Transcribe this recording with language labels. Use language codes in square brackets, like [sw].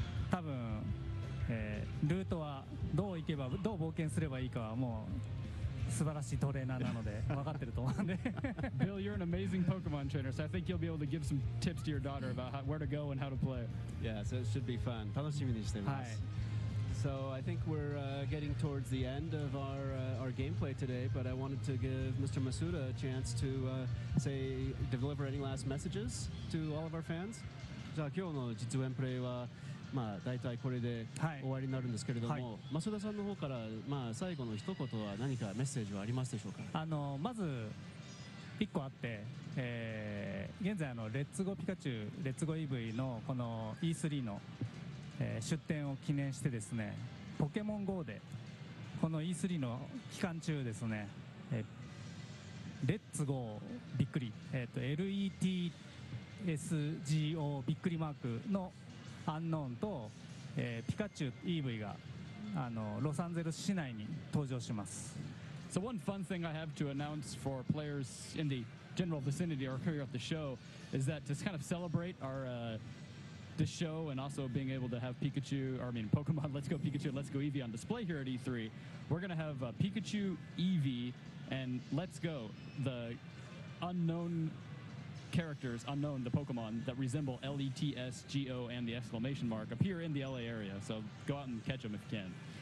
[ja] 多分、ルートはどう行けばどう冒険すればいいかはもう素晴らしいトレーナーなので分かってると思うんで。 [en] Bill, you're an amazing Pokemon trainer, so I think you'll be able to give some tips to your daughter about how, where to go and how to play. Yeah, so it should be fun. [ja] 楽しみにしてます。はい。 [en] So I think we're getting towards the end of our gameplay today, but I wanted to give Mr. Masuda a chance to say deliver any last messages to all of our fans. [ja] じゃあ今日の実演プレイはまあ、大体これで終わりになるんですけれども、はいはい、増田さんの方から、まあ、最後の一言は何かメッセージはありますでしょうか。あのまず1個あって、現在のレッツゴーピカチュウレッツゴーイーブイのこの E3 の、出展を記念してですね、ポケモン GO でこの E3 の期間中ですね、レッツゴーびっくり、LETSGO びっくりマークのアンノーンと、ピカチュウ EV があのロサンゼルス市内に登場します。 [en] So one fun thing I have to announce for players in the general vicinity or here at the show is that to kind of celebrate our the show and also being able to have Pikachu, or I mean Pokemon Let's Go Pikachu and Let's Go Eevee on display here at E3, we're going to have Pikachu, Eevee and Let's Go, the unknown characters, unknown, the Pokemon that resemble LETSGO and the exclamation mark appear in the LA area, so go out and catch them if you can.